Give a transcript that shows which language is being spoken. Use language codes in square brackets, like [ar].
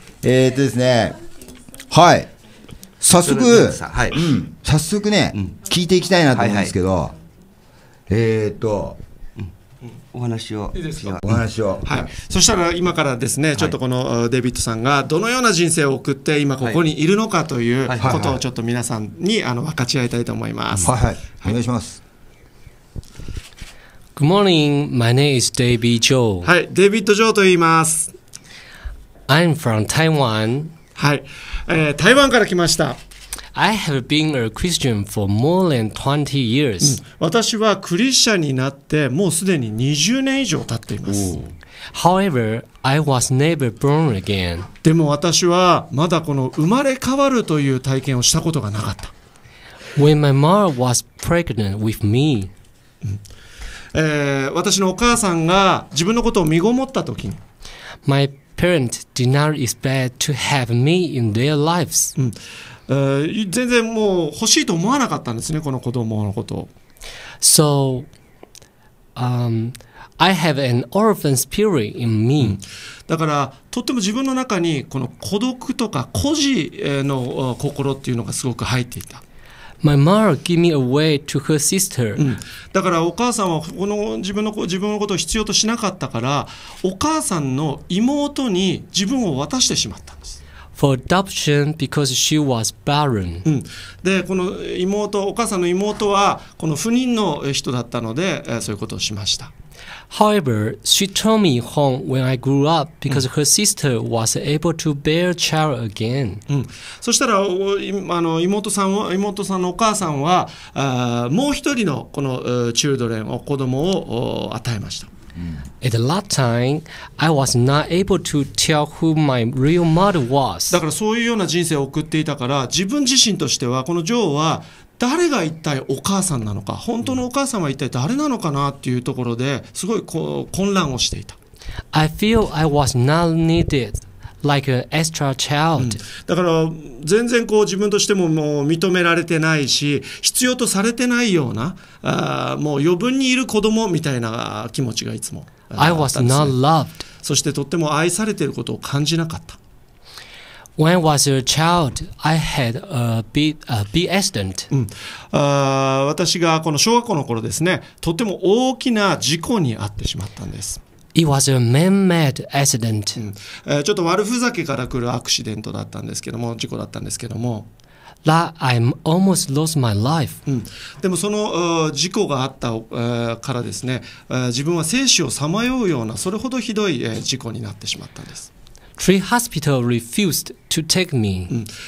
[ja] ですね、はい、早速、うん、早速ね、うん、聞いていきたいなと思うんですけど、はいはい、お話をいいですか、お話を、はい、そしたら今からですね、ちょっとこのデビッドさんがどのような人生を送って今ここにいるのかということをちょっと皆さんに分かち合いたいと思います。はいはい、お願いします。 [en] Good morning, my name is David Zhou. [ja] はい、デビッド・ジョーと言います。 [en] I'm from Taiwan. [ja] はい、台湾から来ました。 [en] I have been a Christian for more than 20 years.、 [ja] うん、私はクリスチャンになってもうすでに20年以上経っています。 [en] However, I was never born again. [ja] でも私はまだこの生まれ変わるという体験をしたことがなかった。 [en] When my mom was pregnant with me,、うん [ja] 私のお母さんが自分のことを身ごもったときに、 [en] My parents did not expect to have me in their lives.、 [ja] うん全然もう欲しいと思わなかったんですね、この子供のことを。 [en] So,、I have an orphan spirit in me.、うん、 [ja] だから、とっても自分の中にこの孤独とか孤児の心っていうのがすごく入っていた。 [en] My mother gave me away to her sister.、 [ja] うん、だからお母さんはこの自分のことを必要としなかったから、お母さんの妹に自分を渡してしまったんです。 [en] For adoption because she was barren.、 [ja] うん、で、この妹、お母さんの妹はこの不妊の人だったので、そういうことをしました。 [en] However, she told me home when I grew up because her sister was able to bear child again.、 [ja] うん、そしたら妹さんのお母さんはもう一人のこの children を子供を与えました。 [en] At that time, I was not able to tell who my real mother was. [ja] だからそういうような人生を送っていたから、自分自身としてはこのジョーは誰が一体お母さんなのか、本当のお母さんは一体誰なのかなっていうところですごい混乱をしていた。 [en] I feel I was not needed like an extra child.、 [ja] うん、だから全然こう自分としてももう認められてないし、必要とされてないようなもう余分にいる子供みたいな気持ちがいつも。 [en] I was not loved. [ja] そしてとっても愛されていることを感じなかった。 [en] When I was a child, I had a big accident.、 [ja] うん、私がこの小学校の頃ですね、とても大きな事故に遭ってしまったんです。 [en] It was a man-made accident.、 [ja] うん、ちょっと悪ふざけから来るアクシデントだったんですけども、事故だったんですけども。 [en] That I almost lost my life.、 [ja] うん、でもその事故があったからですね、自分は生死をさまようような、それほどひどい事故になってしまったんです。 [en] Three hospital refused to take me.